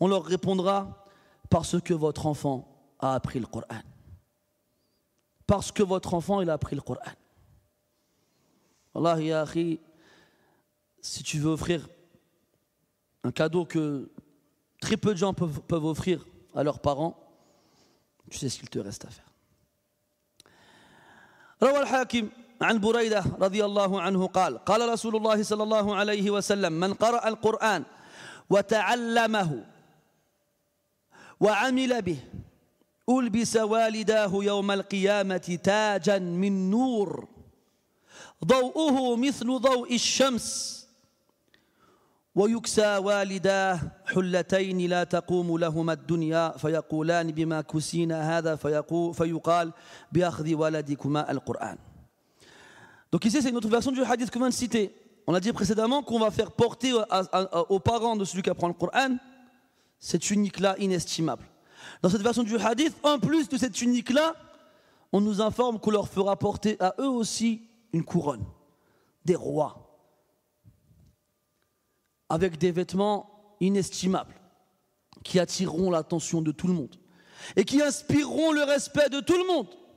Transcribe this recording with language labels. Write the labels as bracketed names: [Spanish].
[French] On leur répondra « Parce que votre enfant a appris le Coran. » Parce que votre enfant, il a appris le Coran. Allah, ya akhi, si tu veux offrir un cadeau que très peu de gens peuvent offrir à leurs parents, tu sais ce qu'il te reste à faire. [Arabic] روى الحاكم عن بريدة رضي الله عنه قال قال رسول الله صلى الله عليه وسلم من قرأ القرآن وتعلمه وعمل به ألبس والداه يوم القيامة تاجا من نور ضوءه مثل ضوء الشمس ويكسى والداه حلتين لا تقوم لهما الدنيا فيقولان بما كسينا هذا فيقال بأخذ ولدكما القرآن. [French] Donc ici c'est une autre version du hadith que vient de citer. On a dit précédemment qu'on va faire porter aux parents de celui qui apprend le Coran cette tunique-là inestimable. Dans cette version du hadith, en plus de cette tunique-là, on nous informe qu'on leur fera porter à eux aussi une couronne des rois avec des vêtements inestimables qui attireront l'attention de tout le monde et qui inspireront le respect de tout le monde.